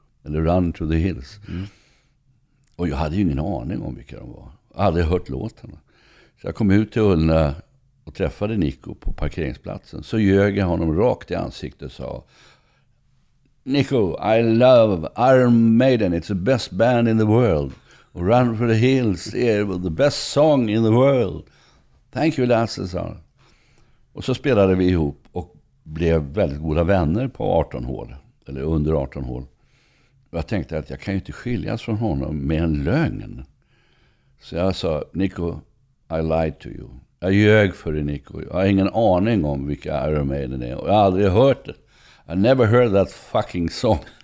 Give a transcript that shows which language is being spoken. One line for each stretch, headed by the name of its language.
Swedish: Eller Run to the Hills. Mm. Och jag hade ju ingen aning om vilka de var. Jag hade aldrig hört låten. Så jag kom ut till Ullna och träffade Nico på parkeringsplatsen. Så ljög jag honom rakt i ansiktet och sa, Nico,
English: I love Iron Maiden. It's the best band in the world. Run for the Hills is the best song in the world. Thank you, Lasse,
Swedish: sa han. Och så spelade vi ihop och blev väldigt goda vänner på 18 hål. Eller under 18 hål. Och jag tänkte att jag kan ju inte skiljas från honom med en lögn. Så jag sa,
English: Nico, I lied to you.
Swedish: Jag ljög för dig, Nico. Jag har ingen aning om vilka Iron Maiden är. Och jag har aldrig hört det.
English: I never heard that fucking song.